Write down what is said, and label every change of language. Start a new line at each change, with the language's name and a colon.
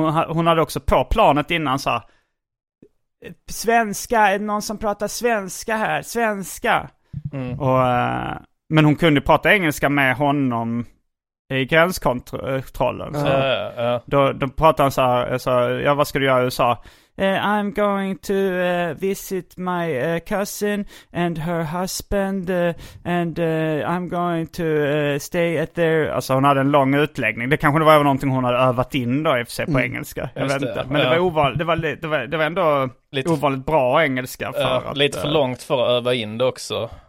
Swedish: Hon hade också på planet innan så här, svenska, är det någon som pratar svenska här? Svenska! Mm. Och... Men hon kunde prata engelska med honom i gränskontrollen. Så då pratade han så här, vad ska du göra i USA?
English: I'm going to visit my cousin and her husband and I'm going to stay at their...
Swedish: Alltså hon hade en lång utläggning. Det kanske var någonting hon hade övat in då i FC på engelska. Jag vet inte. Men det var ändå lite, ovanligt bra engelska. Lite för långt för att öva in det också.